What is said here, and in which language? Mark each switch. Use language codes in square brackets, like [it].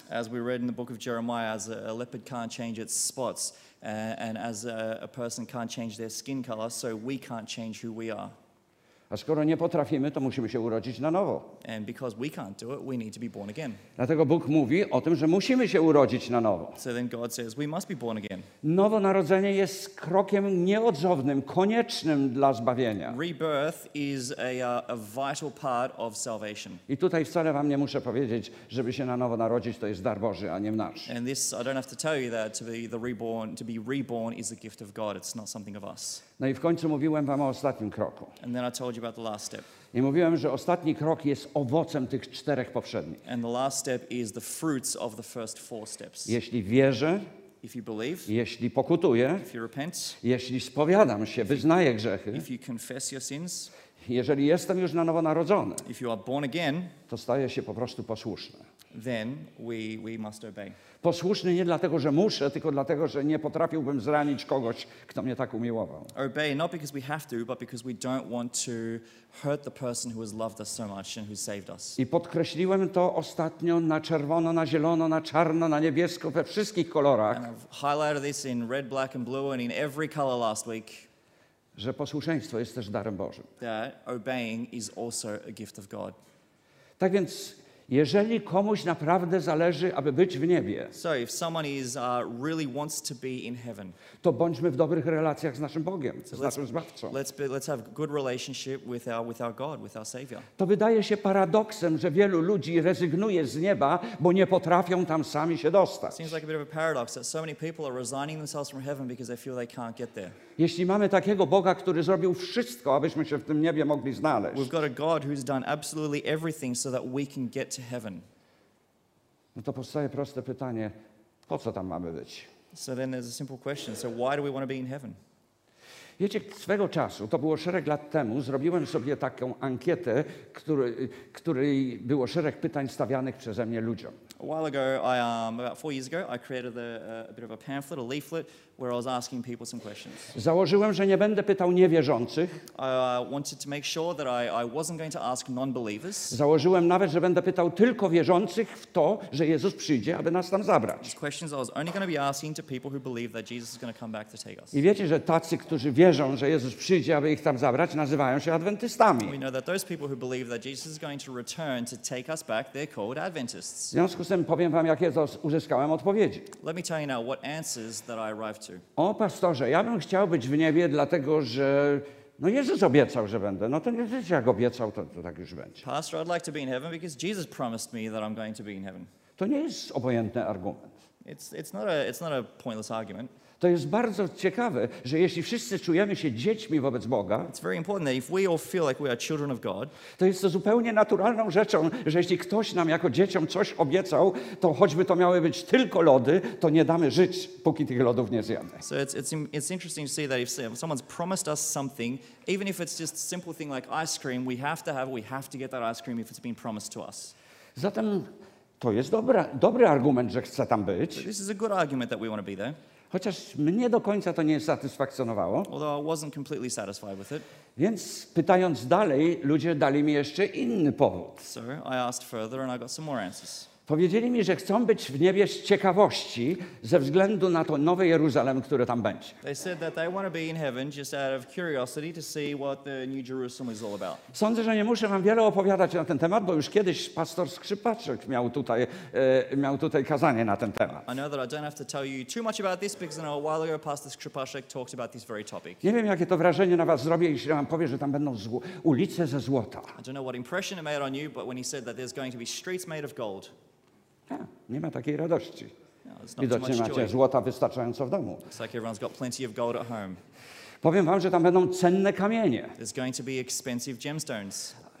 [en] As we read in the book of Jeremiah, as a leopard can't change its spots, and as a person can't change their skin color, so we can't change who we are. [pl] A skoro nie potrafimy, to musimy się urodzić na nowo. [en] And because we can't do it, we need to be born again. [pl] Dlatego Bóg mówi o tym, że musimy się urodzić na nowo. [en] So then God says we must be born again. [pl] Nowonarodzenie jest krokiem nieodzownym, koniecznym dla zbawienia. [en] Rebirth is a vital part of salvation. [pl] I tutaj wcale wam nie muszę powiedzieć, żeby się na nowo narodzić, to jest dar Boży, a nie nasz. [en] And this I don't have to tell you that to be reborn is a gift of God. It's not something of us. [pl] No i w końcu mówiłem wam o ostatnim kroku. [en] And then I told you about the last step. [pl] I mówiłem, że ostatni krok jest owocem tych czterech poprzednich. [en] And the last step is the fruits of the first four steps. [pl] Jeśli wierzę, [en] if you believe, [pl] jeśli pokutuję, [en] if you repent, [pl] jeśli spowiadam się, wyznaję grzechy, [en] if you confess your sins, [pl] jeżeli jestem już na nowo narodzony, [en] if you are born again, [pl] to staję się po prostu posłuszny. [en] Then we must obey. [pl] Posłuszny nie dlatego, że muszę, tylko dlatego, że nie potrafiłbym zranić kogoś, kto mnie tak umiłował. [en] Obey not because we have to, but because we don't want to hurt the person who has loved us so much and who saved us. [pl] I podkreśliłem to ostatnio na czerwono, na zielono, na czarno, na niebiesko, we wszystkich kolorach. [en] And I've highlighted this in red, black and blue and in every color last week. [pl] Że posłuszeństwo jest też darem Bożym. [en] That obeying is also a gift of God. [pl] Tak więc jeżeli komuś naprawdę zależy, aby być w niebie, [en] so if someone is, really wants to be in heaven, [pl] to bądźmy w dobrych relacjach z naszym Bogiem, z naszym Zbawcą. [en] Let's have good relationship with our God, with our Savior. [pl] To wydaje się paradoksem, że wielu ludzi rezygnuje z nieba, bo nie potrafią tam sami się dostać. [en] Seems like a bit of a paradox that so many people are resigning themselves from heaven because they feel they can't get there. [pl] Jeśli mamy takiego Boga, który zrobił wszystko, abyśmy się w tym niebie mogli znaleźć, [en] we've got a God who's done absolutely everything so that we can get to heaven. [pl] No to powstaje proste pytanie, po co tam mamy być? [en] So then there's a simple question. So why do we want to be in heaven? [pl] Wiecie, swego czasu, to było szereg lat temu, zrobiłem sobie taką ankietę, której było szereg pytań stawianych przeze mnie ludziom. [en] A while ago, about 4 years ago, I created a bit of a pamphlet, a leaflet, where I was asking people some questions. [pl] Założyłem, że nie będę pytał niewierzących. [en] I wanted to make sure that I wasn't going to ask non-believers. [pl] Założyłem nawet, że będę pytał tylko wierzących w to, że Jezus przyjdzie, aby nas tam zabrać. [en] These questions I was only going to be asking to people who believe that Jesus is going to come back to take us. [pl] I wiecie, że tacy, którzy wierzą, że Jezus przyjdzie, aby ich tam zabrać, nazywają się adwentystami. [en] We know that those people who believe that Jesus is going to return to take us back, they're called Adventists. [pl] W związku z tym powiem wam, jakie uzyskałem odpowiedzi. [en] Let me tell you now what answers that I arrived. [pl] O pastorze, ja bym chciał być w niebie, dlatego że no Jezus obiecał, że będę. No to nie wiecie, jak obiecał, to tak już będzie. [en] Pastor, I'd like to be in heaven because Jesus promised me that I'm going to be in heaven. [pl] To nie jest obojętny argument. [en] It's not a pointless argument. [pl] To jest bardzo ciekawe, że jeśli wszyscy czujemy się dziećmi wobec Boga, [en] it's very important that if we all feel like we are children of God, [pl] to jest to zupełnie naturalną rzeczą, że jeśli ktoś nam jako dzieciom coś obiecał, to choćby to miały być tylko lody, to nie damy żyć, póki tych lodów nie zjemy. [en] So it's interesting to see that if someone's promised us something, even if it's just a simple thing like ice cream, we have to get that ice cream if it's been promised to us. [pl] Zatem to jest dobry argument, że chcę tam być. [en] This is a good argument that we want to be there. [pl] Chociaż mnie do końca to nie satysfakcjonowało. [en] Although I wasn't completely satisfied with it. [pl] Więc pytając dalej, ludzie dali mi jeszcze inny powód. [en] So I asked further and I got some more answers. [pl] Powiedzieli mi, że chcą być w niebie z ciekawości ze względu na to nowe Jeruzalem, które tam będzie. [en] They said that they want to be in heaven just out of curiosity to see what the new Jerusalem is all about. [pl] Sądzę, że nie muszę wam wiele opowiadać na ten temat, bo już kiedyś pastor Skrzypaczek miał tutaj kazanie na ten temat. [en] I know that I don't have to tell you too much about this because a while ago pastor Skrzypaczek talked about this very topic. [pl] Nie wiem, jakie to wrażenie na was zrobi, jeśli wam powie, że tam będą ulice ze złota. [en] I don't know what impression it made on you, but when he said that there's going to be streets made of gold. [pl] Nie ma takiej radości. No, widocznie macie złota wystarczająco w domu. [en] It's like everyone's got plenty of gold at home. [pl] Powiem wam, że tam będą cenne kamienie. [en] There's going to be expensive gemstones.